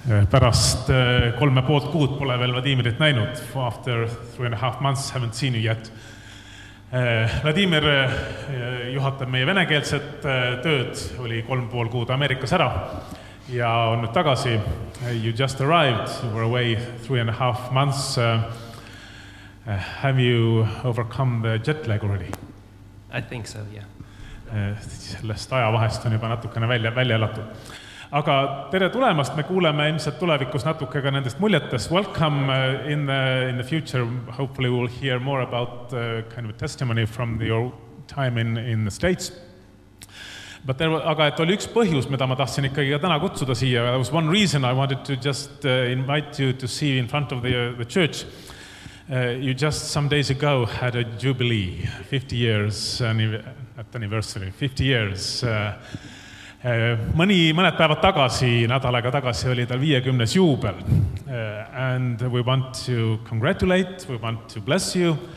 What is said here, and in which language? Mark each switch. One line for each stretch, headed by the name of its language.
Estonian: Pärast 3.5 kuud pole veel Vladimirit näinud.
English: After 3.5 months haven't seen you yet.
Estonian: Vladimir juhatab meie venekeelset tööd, oli 3.5 kuud Ameerikas ära ja on nüüd tagasi.
English: You just arrived, you were away 3.5 months. Have you overcome the jet lag already? I think so, yeah.
Estonian: Sellest ajavahest on juba natukene välja elatud. Aga tere tulemast, me kuuleme ilmselt tulevikus natuke ka nendest muljetest.
English: Welcome in the future, hopefully we'll hear more about kind of a testimony from your time in the States. But there,
Estonian: aga et oli üks põhjus, mida ma tahtsin ikkagi ka täna kutsuda siia.
English: There was one reason I wanted to just invite you to see in front of the church. You just some days ago had a jubilee, 50 years at anniversary, 50 years.
Estonian: Mõned päevad tagasi, nädalaga tagasi oli tal 50. juubel.
English: And we want to congratulate, we want to bless you.